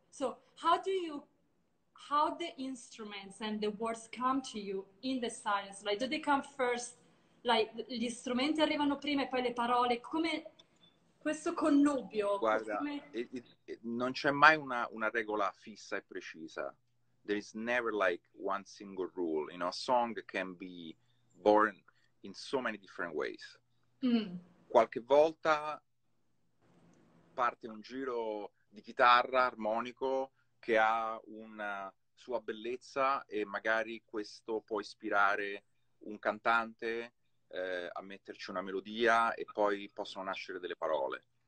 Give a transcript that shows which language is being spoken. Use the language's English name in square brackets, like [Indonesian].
[English] So, how the instruments and the words come to you in the silence? Like, do they come first? [Italian] Like, gli strumenti arrivano prima e poi le parole, come questo connubio. Guarda, non c'è mai una regola fissa e precisa. [English] There is never like one single rule. You know, a song can be born in so many different ways. Mm. [Italian] Qualche volta parte un giro di chitarra armonico che ha una sua bellezza e magari questo può ispirare un cantante a metterci una melodia e poi possono nascere delle parole.